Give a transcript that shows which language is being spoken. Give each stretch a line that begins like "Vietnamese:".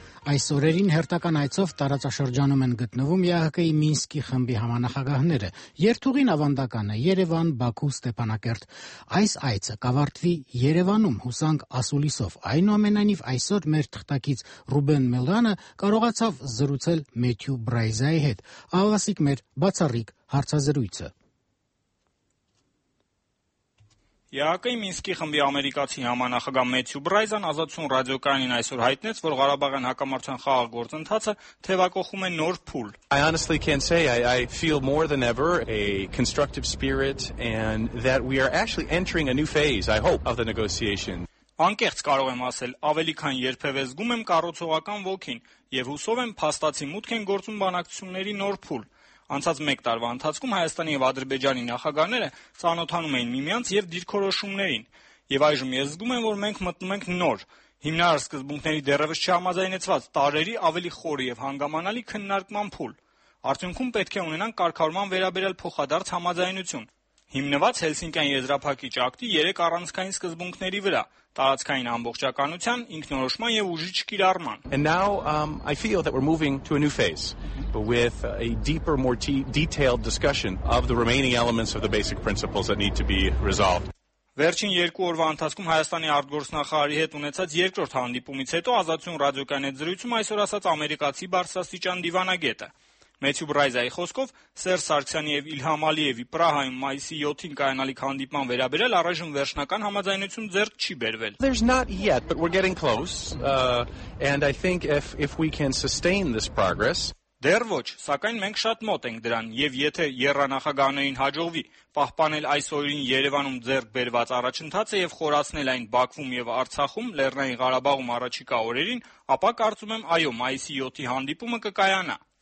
Armenian: Այս օրերին հերթական այցով տարածաշրջանում են գտնվում ԵԱՀԿ-ի Մինսկի խմբի համանախագահները։ Երթուղին ավանդական է Երևան, Բաքու, Ստեփանակերտ։ Այս այցը կավարտվի Երևանում հուսանք ասուլիսով։ Այնուամենայնիվ այսօր մեր թղթակից Ռուբեն Մելանը կարողացավ զրուցել Մեթյու Բրայզայի հետ։ Ավասիկ մեր բացառիկ հարցազրույցը։ ԵԱՀԿ-ի Մինսկի խմբի ամերիկացի համանախագահ Մեթյու Բրայզան ազատություն ռադիոկայանին այսօր հայտնեց, որ Ղարաբաղյան հակամարտության խաղաղ գործընթացը թևակոխում է նոր փուլ։
English: I honestly can say I feel more than ever a constructive spirit and that we are actually entering a new phase, I hope, of the negotiation.
Armenian: Անկեղծ կարող եմ ասել, ավելի քան երբևէ զգում եմ կառուցողական ոգին եւ հուսով եմ փաստացի մուտք են գործում բանակցությունների նոր փուլ։ Անցած 1 տարվա ընթացքում Հայաստանի եւ Ադրբեջանի նախագահները ծանոթանում էին միմյանց եւ դիրքորոշումներին եւ այժմ ես զգում եմ, որ մենք մտնում ենք նոր հիմնարար սկզբունքների դեռևս չհամաձայնեցված տարերի ավելի խորը եւ հանգամանալի քննարկման փուլ։ Արդյունքում պետք է ունենանք կարգավորման վերաբերյալ փոխադարձ համաձայնություն, հիմնված Հելսինկիան եզրափակիչ ակտի 3 առանցքային սկզբունքների վրա՝ տարածքային ամբողջականության, ինքնորոշման եւ ուժիչ կիրառման։
English: And now I feel that we're moving to a new phase with a deeper, more detailed discussion of the remaining elements of the basic principles that need to be resolved.
Armenian: Վերջին 2 օրվա ընթացքում Հայաստանի արտգործնախարարի հետ ունեցած երկրորդ հանդիպումից հետո ազատություն ռադիոկայանի զրույցում այսօր ասաց ամերիկացի բարձրաստիճան դիվանագետը։ Մեթյու Բրայզայի խոսքով Սերժ Սարգսյանի եւ Իլհամ Ալիևի Պրահայում մայիսի 7-ին կայանալիք հանդիպման վերաբերյալ առայժմ վերջնական համաձայնություն ձեռք չի բերվել։
English: There's not yet, but we're getting close. And I think if we can sustain this progress.
Armenian: Դեռ ոչ, սակայն մենք շատ մոտ ենք դրան, եւ եթե երրանախագահներին հաջողվի պահպանել այս օրերին Երևանում ձեռք բերված առաջընթացը եւ խորացնել այն Բաքվում եւ Արցախում Լեռնային Ղարաբաղում առաջիկա օրերին, ապա կարծում եմ, այո, մայիսի 7-ի հանդիպումը կկայանա։